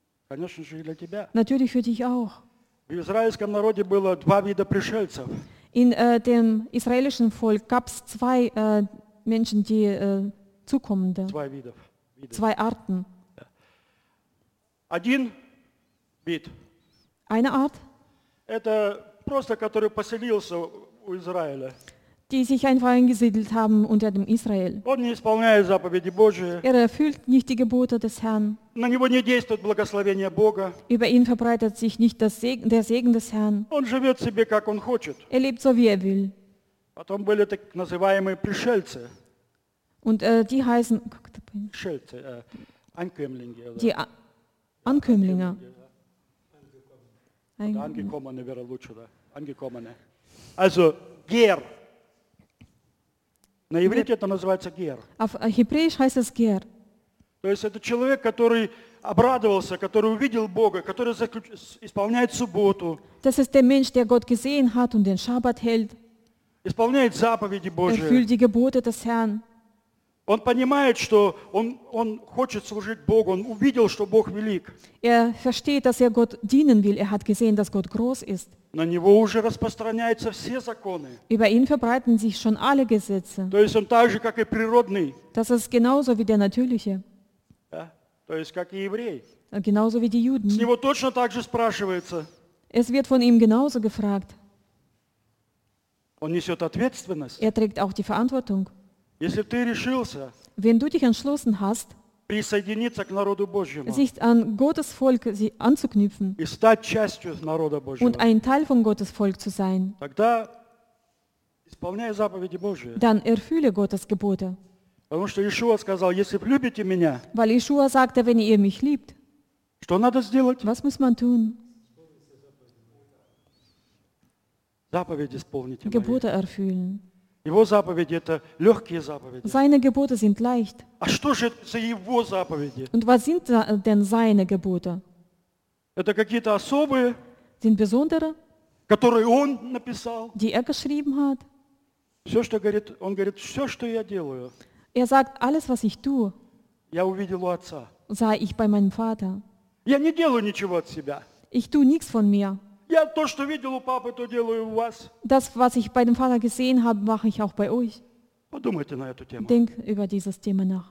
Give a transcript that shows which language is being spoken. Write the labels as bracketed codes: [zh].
[de] Natürlich für dich auch. [ru] В израильском народе было два вида пришельцев. [de] In dem israelischen Volk gab es zwei Menschen, die zukommende. Zwei [ru] видов. [de] Zwei Arten. [ru] Один вид. [de] Eine Art. [ru] Это просто, который поселился у Израиля. [de] Die sich einfach eingesiedelt haben unter dem Israel. [ru] Он не исполняет заповеди Божьи. [de] Er erfüllt nicht die Gebote des Herrn. [ru] На него не действует благословение Бога. [de] Über ihn verbreitet sich nicht der Segen des Herrn. [ru] Он живет себе, как он хочет. [de] Er lebt so, wie er will. [ru] Потом были так называемые пришельцы. [de] Und die heißen, [ru] как это понятно? Пришельцы, Ankömmlinge. [de] Die Ankömmlinge. Angekommene wäre [ru] лучше, да? [de] Angekommene. Also, Ger. [ru] На иврите это называется гер. [de] Auf Hebräisch heißt es гер. [ru] То есть это человек, который обрадовался, который увидел Бога, который исполняет субботу. [de] Das ist der Mensch, der Gott gesehen hat und den Schabbat hält. [ru] Исполняет заповеди Божьи. [de] Erfüllt die Gebote des Herrn. [ru] Он понимает, что он хочет служить Богу, он увидел, что Бог велик. [de] Er versteht, dass er Gott dienen will. Er hat gesehen, dass Gott groß ist. [ru] На него уже распространяются все законы. [de] Über ihn verbreiten sich schon alle Gesetze. [ru] То есть он так же, как и природный. [de] Das ist genauso wie der natürliche. Ja? [ru] То есть как и еврей. [de] Genauso wie die Juden. [ru] С него точно так же спрашивается. [de] Es wird von ihm genauso gefragt. [ru] Он несет ответственность. [de] Er trägt auch die Verantwortung. [ru] Если ты решился, [de] wenn du dich entschlossen hast, [ru] присоединиться к народу Божьему, [de] sich an Gottes Volk anzuknüpfen [ru] и стать частью народа Божьего, [de] und ein Teil von Gottes Volk zu sein, [ru] тогда исполняй заповеди Божьи, [de] dann erfülle Gottes Gebote. [ru] Потому что Иешуа сказал, если любите меня, [de] weil Иешуа sagte, wenn ihr mich liebt, [ru] что надо сделать? [de] Was muss man tun? [ru] Заповеди исполните. [de] Gebote erfüllen. [ru] Его заповеди – это легкие заповеди. [de] Seine Gebote sind leicht. [ru] А что же это за его заповеди? [de] Und was sind denn seine Gebote? [ru] Это какие-то особые, [de] sind besondere, [ru] которые он написал. [de] Die geschrieben hat. [ru] Все, что говорит, он говорит, все, что я делаю. [de] Er sagt, alles, was ich tue, [ru] я увидел у отца. [de] Sah ich bei meinem Vater. [ru] Я не делаю ничего от себя. [de] Ich tue nichts von mir. [ru] Я то, что видел у папы, то делаю у вас. [de] Das, was ich bei dem Vater gesehen habe, mache ich auch bei euch. [ru] Подумайте на эту тему. [de] Denk über dieses Thema nach.